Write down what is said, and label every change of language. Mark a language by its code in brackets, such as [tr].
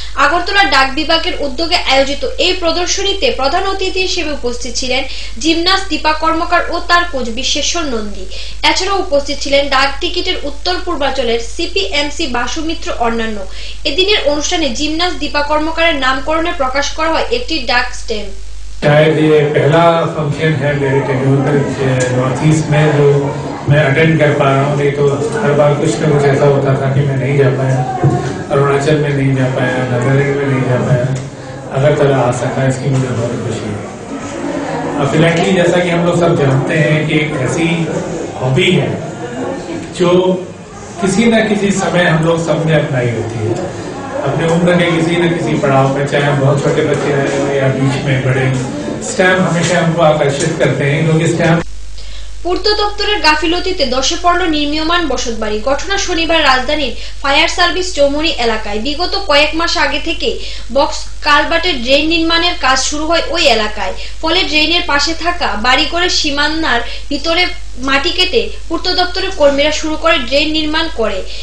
[bn] আগরতলা ডাক বিভাগের উদ্যোগে আয়োজিত এই প্রদর্শনীতে প্রধান অতিথি হিসেবে উপস্থিত ছিলেন জিমনাস্ট দীপা কর্মকার ও তার কোচ বিশ্বেশ্বর নন্দী। এছাড়াও উপস্থিত ছিলেন ডাক টিকিটের উত্তর পূর্বাঞ্চলের সিপিএমসি বাসু মিত্র অন্যান্য। এদিনের অনুষ্ঠানে জিমনাস্ট দীপা কর্মকারের নামকরণে প্রকাশ করা হয় একটি ডাক স্ট্যাম্প। [hi] शायद ये पहला फंक्शन है मेरे टेक्नोलॉजी नॉर्थ ईस्ट में जो मैं अटेंड कर पा रहा हूँ। नहीं तो हर बार कुछ ना कुछ ऐसा होता था कि मैं नहीं जा पाया, अरुणाचल में नहीं जा पाया, नागालैंड में नहीं जा पाया। अगर तला आ सका इसकी मुझे बहुत खुशी है। और फिलहाल जैसा कि हम लोग सब जानते हैं कि एक ऐसी हॉबी है जो किसी न किसी समय हम लोग सब में अपनाई होती है, अपने उम्र के किसी न किसी पड़ाव पर, चाहे हम बहुत छोटे बच्चे रहे या बीच में बड़े। स्टैम्प हमेशा हमको आकर्षित करते हैं क्योंकि स्टैम्प [bn] পূর্ত দপ্তরের গাফিলতিতে দশে পড়লো নির্মীয়মান বসতবাড়ি। ঘটনা শনিবার রাজধানীর ফায়ার সার্ভিস চৌমুহনি এলাকায়। বিগত কয়েক মাস আগে থেকে বক্স কালভার্টের ড্রেন নির্মাণের কাজ শুরু হয় ওই এলাকায়। ফলে ড্রেনের পাশে থাকা বাড়িঘরের সীমানার ভিতরে মাটি কেটে পূর্ত দপ্তরের কর্মীরা শুরু করে ড্রেন নির্মাণ করে।